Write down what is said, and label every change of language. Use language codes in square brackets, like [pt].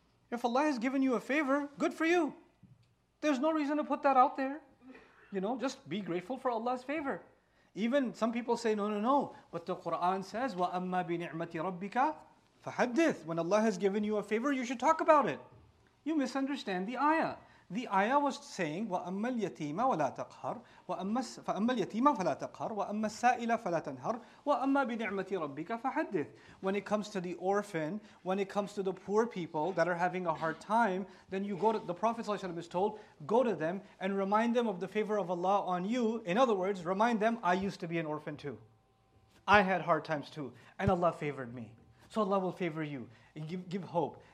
[en] If Allah has given you a favor, good for you. There's no reason to put that out there. You know, just be grateful for Allah's favor. Even some people say, no. But the Quran says, [ar] وَأَمَّا بِنِعْمَةِ رَبِّكَ فَحَدِّثْ. [en] When Allah has given you a favor, you should talk about it. You misunderstand the ayah. The ayah was saying, [ar] وَأَمَّا الْيَتِيمَ وَلَا تَقْهَرْ فَأَمَّا الْيَتِيمَ فَلَا تَقْهَرْ وَأَمَّا السَّائِلَ فَلَا تَنْهَرْ وَأَمَّا بِنِعْمَةِ رَبِّكَ فَحَدِّثْ. [en] When it comes to the orphan, when it comes to the poor people that are having a hard time, then you go to, the Prophet ﷺ is told, go to them and remind them of the favor of Allah on you. In other words, remind them, I used to be an orphan too. I had hard times too. And Allah favored me. So Allah will favor you. Give hope.